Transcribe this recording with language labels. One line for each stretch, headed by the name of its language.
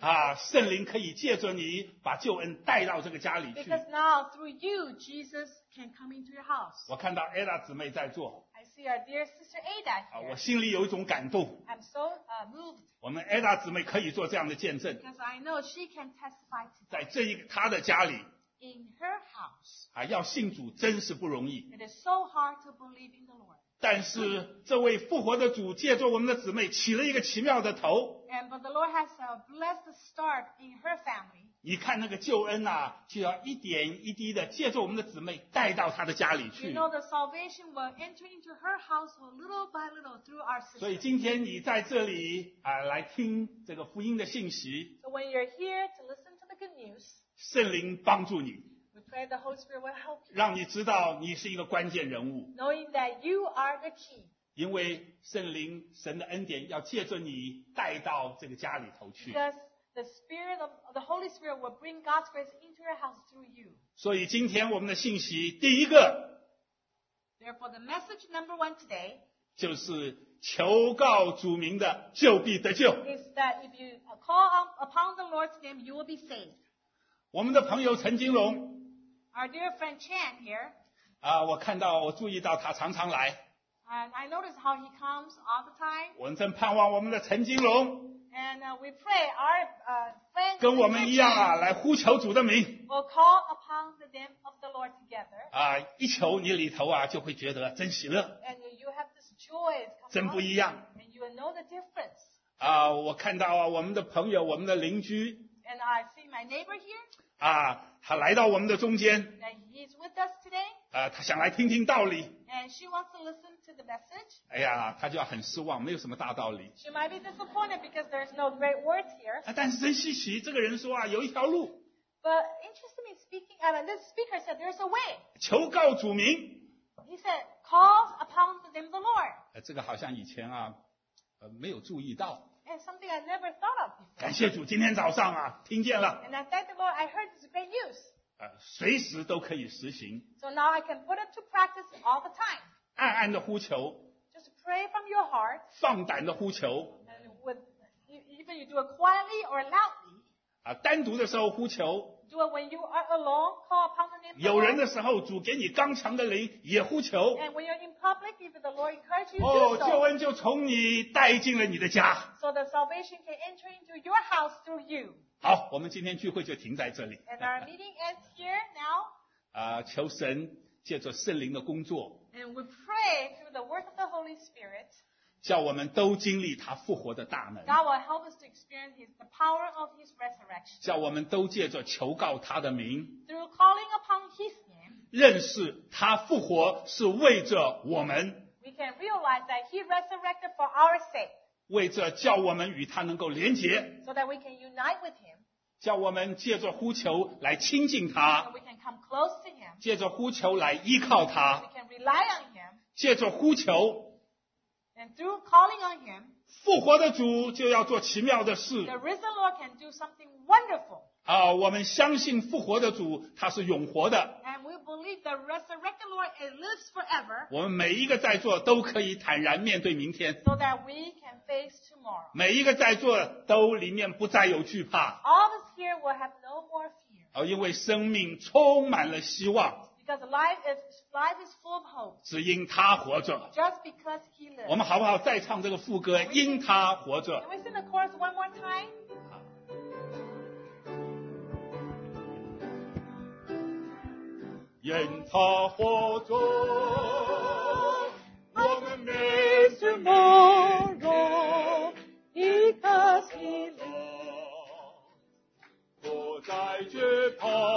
Chinese: 啊圣灵可以借着你把救恩带到这个家里去
English: Because now through you, Jesus can come into your house.
Chinese: 我看到 Ada 姊妹在做。
English: I see our dear sister Ada here.
Chinese: 我心里有一种感动。
English: I'm so moved.
Chinese: 我们 Ada 姊妹可以做这样的见证。
English: Because I know she can testify to.
Chinese: 在这一个她的家里。
English: In her house.
Chinese: 啊，要信主真是不容易。
English: It is so hard to believe in the Lord.
Chinese: 但是这位复活的主借着我们的姊妹起了一个奇妙的头。
English: And but the Lord has a blessed start in her family.
Chinese: 你看那个救恩啊就要一点一滴的借着我们的姊妹带到她的家里去。
English: You know the salvation will enter into her household little by little through our sister.
Chinese: 所以今天你在这里啊来听这个福音的信息。
English: So when you're here to listen to the good news.
Chinese: 圣灵帮助你。
English: We pray the Holy Spirit will help you.
Chinese: 让你知道你是一个关键人物。
English: Knowing that you are the key.
Chinese: 因为圣灵神的恩典要借着你带到这个家里头去。
English: The Holy Spirit will bring God's grace into your house through you.
Chinese: 所以今天我们的信息第一个
English: Therefore, the message number one today
Chinese: 就是求告主名的就必得救。
English: Is that if you call upon the Lord's name, you will be saved.
Chinese: 我们的朋友陈金龙。
English: Our dear friend Chan here.
Chinese: 啊，我看到，我注意到他常常来。
English: And I notice how he comes all the time.
Chinese: 我们正盼望我们的陈金龙。
English: And we pray our friends.
Chinese: 跟我们一样啊，来呼求主的名。
English: We'll call upon the name of the Lord together.
Chinese: 啊，一求你里头啊，就会觉得真喜乐。
English: And you have this joy.
Chinese: 真不一样。
English: And you will know the difference.
Chinese: 啊，我看到啊，我们的朋友，我们的邻居。
English: And I see my neighbor here.
Chinese: 啊，他来到我们的中间。
English: And he's with us today.
Chinese: 啊，他想来听听道理。
English: And she wants to listen to the message.
Chinese: 哎呀，他就很失望，没有什么大道理。
English: She might be disappointed because there's no great words here.
Chinese: 啊，但是真稀奇，这个人说啊，有一条路。
English: But interestingly speaking, this speaker said there's a way.
Chinese: 求告主名。
English: He said, "Calls upon the name of the Lord."
Chinese: 哎，这个好像以前啊，没有注意到。
English: And something I never thought of.
Chinese: 感谢主，今天早上啊，听见了。
English: And I thank the Lord, I heard this great news.
Chinese: 随时都可以实行。
English: So now I can put it to practice all the time.
Chinese: 暗暗的呼求。
English: Just pray from your heart.
Chinese: 放胆的呼求。
English: Even you do it quietly or loudly.
Chinese: 单独的时候呼求。
English: Do it when you are alone, call upon the name of the Lord.
Chinese: 有人的时候，主给你刚强的灵，也呼求。
English: And when you're in public, if the Lord encourages you, do so.
Chinese: 救恩就从你带进了你的家。
English: So the salvation can enter into your house through you.
Chinese: 好，我们今天聚会就停在这里。
English: And our meeting ends here now.
Chinese: 求神借着圣灵的工作。
English: And we pray through the work of the Holy Spirit.
Chinese: 叫我们都经历他复活的大能。
English: God will help us to experience the power of His resurrection.
Chinese: 叫我们都借着求告他的名。
English: Through calling upon His name.
Chinese: 认识他复活是为着我们。
English: We can realize that He resurrected for our sake.
Chinese: 为着叫我们与他能够连结。
English: So that we can unite with Him.
Chinese: 叫我们借着呼求来亲近他。
English: So we can come close to Him.
Chinese: 借着呼求来依靠他。
English: So we can rely on Him.
Chinese: 借着呼求。
English: And through calling on Him,
Chinese: 复活的主就要做奇妙的事。
English: The risen Lord can do something wonderful.
Chinese: 我们相信复活的主他是永活的。
English: And we believe the resurrected Lord lives forever.
Chinese: 我们每一个在座都可以坦然面对明天。
English: So that we can face tomorrow.
Chinese: 每一个在座都里面不再有惧怕。
English: All of us here will have no more fear.
Chinese: 因为生命充满了希望。
English: Because life is full of hope.
Chinese: 只因他活着。
English: Just because he lives.
Chinese: 我们好不好再唱这个副歌？因他活着。
English: Can we sing the chorus one more time?
Chinese: 因他活着，我们没什么容，因他喜乐，不再惧怕。